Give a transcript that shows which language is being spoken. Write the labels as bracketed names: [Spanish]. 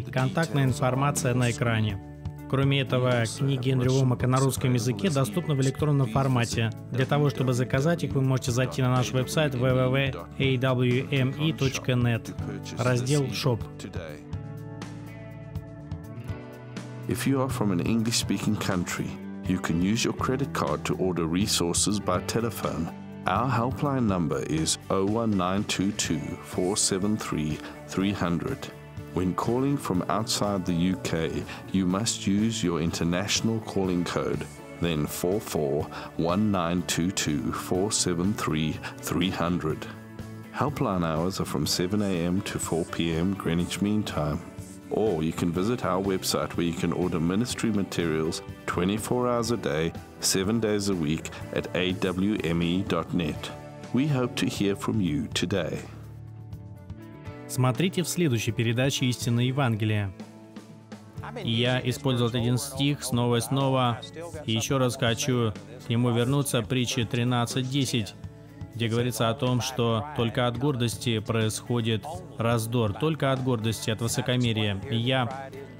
[Russian] Контактная информация на экране. Кроме этого, книги Эндрю Вомака на русском языке доступны в электронном формате. Для того, чтобы заказать их, вы можете зайти на наш веб-сайт www.awme.net, раздел «Shop». [English] If you are from an English-speaking country, you can use your credit card to order resources by telephone. Our helpline number is 01922-473-300. When calling from outside the UK, you must use your international calling code, then 44-1922-473-300. Helpline hours are from 7 a.m. to 4 p.m. Greenwich Mean Time. Or you can visit our website where you can order ministry materials 24 hours a day, 7 days a week at awme.net. We hope to hear from you today. [Russian] Смотрите в следующей передаче «Истина Евангелия». Я использовал один стих снова и снова, и еще раз хочу к нему вернуться, притчи 13.10, где говорится о том, что только от гордости происходит раздор, только от гордости, от высокомерия. И я